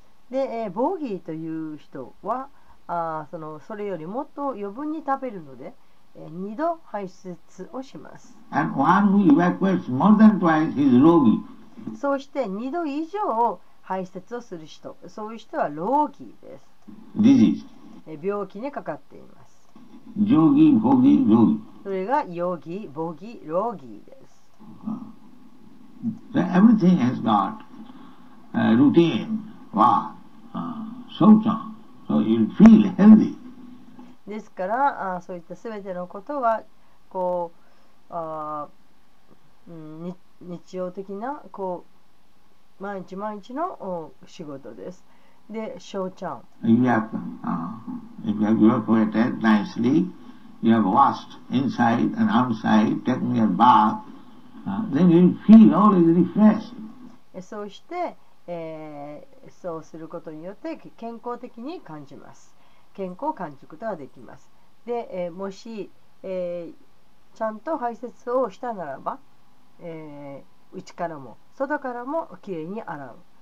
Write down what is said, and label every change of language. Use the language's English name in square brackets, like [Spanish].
[Japanese] で、ボギーという人は、それよりもっと余分に食べるので、二度排出をします。 [English] And one who evacuates more than twice is rogi. [Japanese] そして二度以上排出をする人、そういう人はローギーです。 [English] Disease. [Japanese] 病気にかかっています。ジョーギー、ボギー、ローギー。それがヨーギー、ボギー、ローギーです。 [English] Everything has got a routine, wa, so chan, so you'll feel healthy. [Japanese] ですから、そういったすべてのことは、こう、日常的な、こう、毎日毎日の仕事です。で、しょうちゃん。 [English] If you have evacuated nicely, you have washed inside and outside, taken your bath, then you feel always refreshed. [Japanese] そうして、そうすることによって健康的に感じます。健康を感じることができます。で、もし、ちゃんと排泄をしたならば、内からも外からもきれいに洗う。